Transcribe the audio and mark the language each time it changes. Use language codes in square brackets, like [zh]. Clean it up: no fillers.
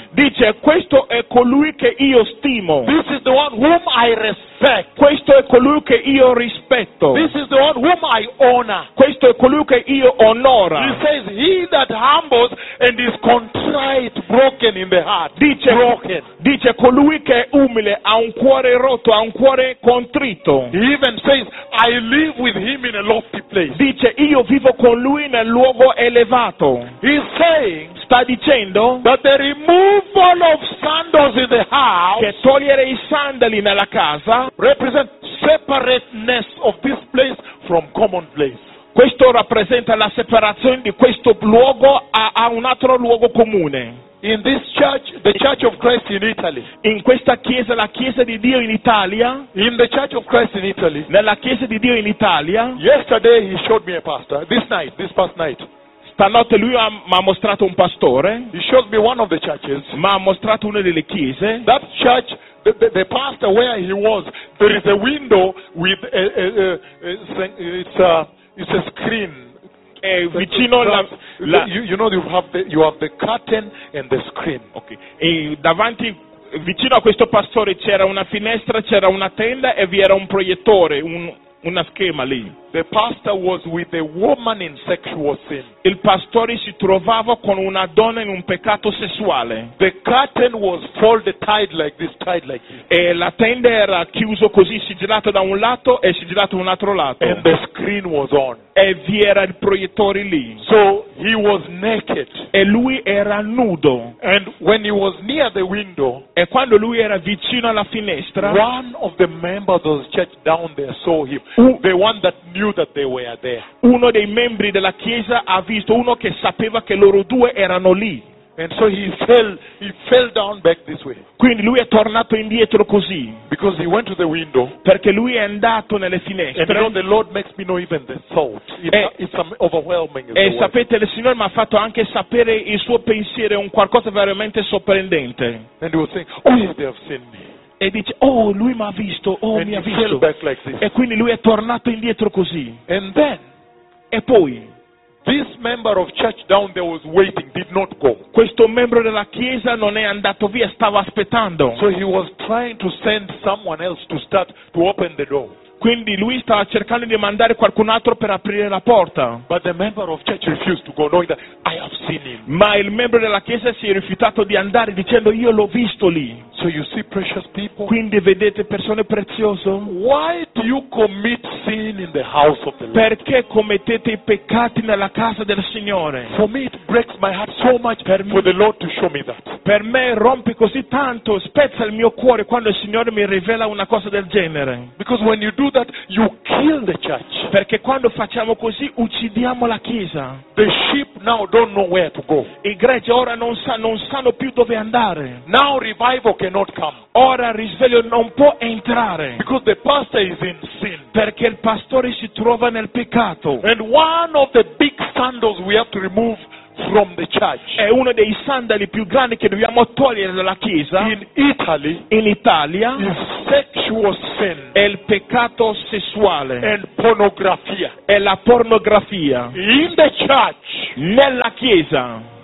[it] Dice, questo è colui che io stimo. [en] This is the one whom I respect. [it] Questo è colui che io rispetto. [en] This is the one whom I honor. [it] Questo è colui che io onora. [en] He says, he that humbles and is contrite, broken in the heart. [it] Dice, [en] broken. [it] Dice, colui che è umile ha un cuore rotto, ha un cuore contrito. [en] He even says, I live with him in a lofty place. [it] Dice, io vivo con lui nel luogo elevato. [en] He's saying, [it] sta dicendo, [en] that the removal of sandals in the house, [it] che togliere i sandali nella casa, [en] represents separateness of this place from common place. [it] Questo rappresenta la separazione di questo luogo a un altro luogo comune. [en] In this church, the Church of Christ in Italy. [it] In questa chiesa, la chiesa di Dio in Italia. [en] In the Church of Christ in Italy. [it] Nella chiesa di Dio in Italia. [en] Yesterday he showed me a pastor. This night, this past night. [it] Stanotte lui mi ha mostrato un pastore. [en] He showed me one of the churches. [it] Mi ha mostrato una delle chiese. [en] That church, the pastor where he was, there is a window with it's a screen. [it] Vicino la, la, [en] you know, you have the curtain and the screen. Okay. [it] E davanti, vicino a questo pastore c'era una finestra, c'era una tenda e vi era un proiettore, una schema lì. [en] The pastor was with a woman in sexual sin. [it] Il pastore si trovava con una donna in un peccato sessuale. [en] The curtain was folded tight like this, tight like this. [it] E la tenda era chiuso così, sigillato da un lato e sigillato un altro lato. [en] And the screen was on. [it] E vi era il proiettore lì. [en] So he was naked. [it] E lui era nudo. [en] And when he was near the window, [it] e quando lui era vicino alla finestra, [en] one of the members of the church down there saw him. The one that knew that they were there. [it] Uno dei membri della chiesa ha visto uno che sapeva che loro due erano lì. [en] And so he fell down back this way. [it] Quindi lui è tornato indietro così. [en] Because he went to the window. [it] Perché lui è andato nelle finestre. [en] And you know, the Lord makes me know even the thought. It's overwhelming. [it] E sapete, il Signore mi ha fatto anche sapere il suo pensiero, un qualcosa veramente sorprendente. [en] And he was saying, oh, yes, they have seen me. [it] E dice, oh, lui mi ha visto, oh, [en] and [it] mi ha visto. [en] Like, [it] e quindi lui è tornato indietro così. [en] And then, [it] e poi, [en] this member of church down there was waiting, did not go. [it] Questo membro della chiesa non è andato via, stava aspettando. [en] So he was trying to send someone else to start to open the door. [it] Quindi lui stava cercando di mandare qualcun altro per aprire la porta. [en] But the member of church refused to go, knowing that I have seen him. [it] Ma il membro della chiesa si è rifiutato di andare dicendo, io l'ho visto lì. [en] So you see precious people. [it] Quindi vedete persone preziose. [en] Why do you commit sin in the house of the Lord? [it] Perché commettete i peccati nella casa del Signore? [en] For me it breaks my heart so much for the Lord to show me that. [it] Per me rompe così tanto, spezza il mio cuore quando il Signore mi rivela una cosa del genere. [en] Because when you do that, you kill the church. [it] Perché quando facciamo così uccidiamo la chiesa. [en] The sheep now don't know where to go. [it] I gregge ora non sanno più dove andare. [en] Now revival cannot come. [it] Ora risveglio non può entrare. [en] Because the pastor is in sin. [it] Perché il pastore si trova nel peccato. [en] And one of the big sandals we have to remove from the church. [it] È uno dei sandali più grandi che dobbiamo togliere dalla chiesa. [en] In Italy. [it] In Italia. [en] Is sexual sin, [es] el pecado sexual, [en] and pornografía, [it] e la pornografía, [en] in the church, [it] nella chiesa.